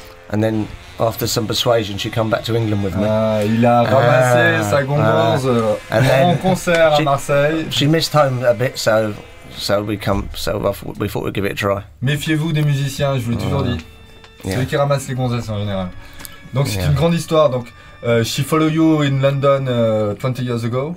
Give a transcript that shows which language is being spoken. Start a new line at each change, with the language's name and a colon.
English: And then, after some persuasion, she came back to England with me.
French: Il a ramassé sa gondole en concert à Marseille.
English: She missed home a bit, so we thought we'd give it a try.
French: Méfiez-vous des musiciens, je vous l'ai toujours dit. Yeah. Celui qui ramasse les gonzesses en général. Donc c'est une grande histoire.
English: Donc, she followed you in London 20 years ago.